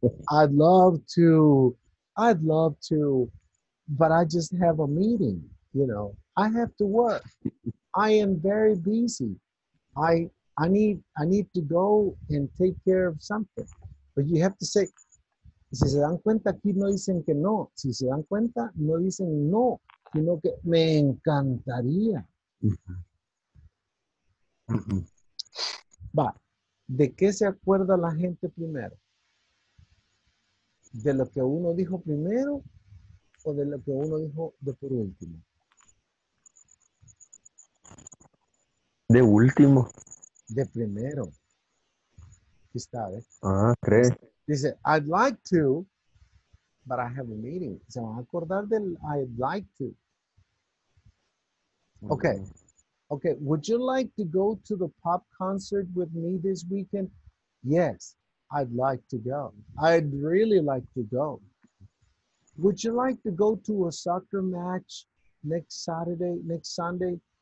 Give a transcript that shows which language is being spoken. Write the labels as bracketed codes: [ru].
[en] I'd love to, but I just have a meeting, you know. I have to work. I am very busy. I need to go and take care of something. But you have to say, [es] si se dan cuenta, aquí no dicen que no. Si se dan cuenta, no dicen no, sino que me encantaría. Va, ¿de qué se acuerda la gente primero? ¿De lo que uno dijo primero o de lo que uno dijo de por último? De último. De primero. Aquí está, ¿eh? Ah, ¿crees? Dice, [en] I'd like to, but I have a meeting. [es] ¿Se van a acordar del [en] I'd like to? Okay, would you like to go to the pop concert with me this weekend? Yes, I'd like to go. I'd really like to go. Would you like to go to a soccer match next Sunday?